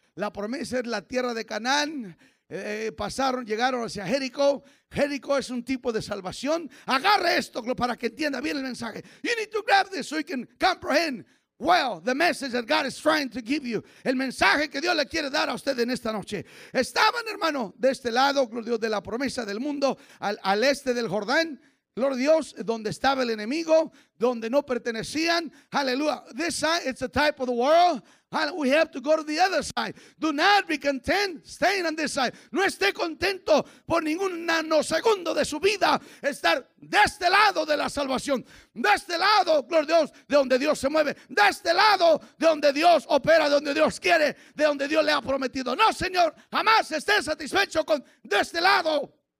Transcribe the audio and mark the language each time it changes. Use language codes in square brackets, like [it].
[es] La promesa es la tierra de Canaán. Pasaron, llegaron hacia Jericó. Jericó es un tipo de salvación. Agarre esto para que entienda bien el mensaje. [en] You need to grab this so you can comprehend well the message that God is trying to give you. [es] El mensaje que Dios le quiere dar a usted en esta noche. Estaban, hermano, de este lado, gloria a Dios, de la promesa del mundo, al este del Jordán, gloria a Dios, donde estaba el enemigo, donde no pertenecían. Aleluya. [en] This side, it's a type of the world. We have to go to the other side. Do not be content staying on this side. [es] No esté contento por ningún nanosegundo de su vida. Estar de este lado de la salvación. De este lado, gloria a Dios, de donde Dios se mueve. De este lado, de donde Dios opera, de donde Dios quiere, de donde Dios le ha prometido. No, Señor, jamás esté satisfecho con de este lado.